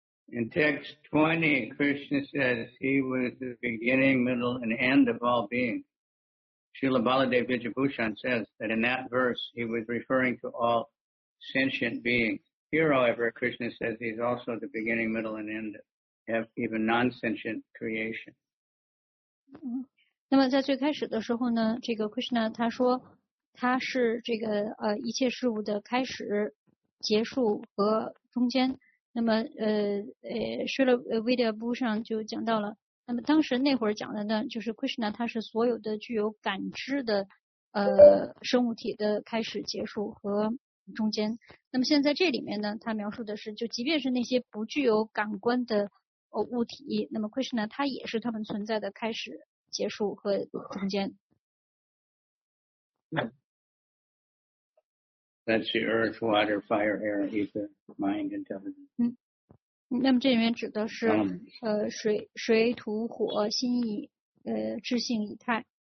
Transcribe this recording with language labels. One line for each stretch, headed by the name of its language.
English: In text 20, Krishna says he was the beginning, middle, and end of all beings. Srila Baladeva Vijayabhushan says that in that verse he was referring to all sentient beings. Here, however, Krishna says he's also the beginning, middle, and end of even non-sentient creation.
Chinese: 那么在最开始的时候呢，这个 Krishna 他说它是这个一切事物的开始、结束和中间。那么Srila Vidyabhushan就讲到了，那么当时那会儿讲的呢，就是 Krishna 它是所有的具有感知的生物体的开始、结束和中间。那么现在这里面呢，它描述的是，就即便是那些不具有感官的物体，那么 Krishna 它也是它们存在的开始、结束和中间。
English: That's the earth, water, fire, air, ether, mind, intelligence.
Chinese: 那么这里面指的是水土火心意智性以太。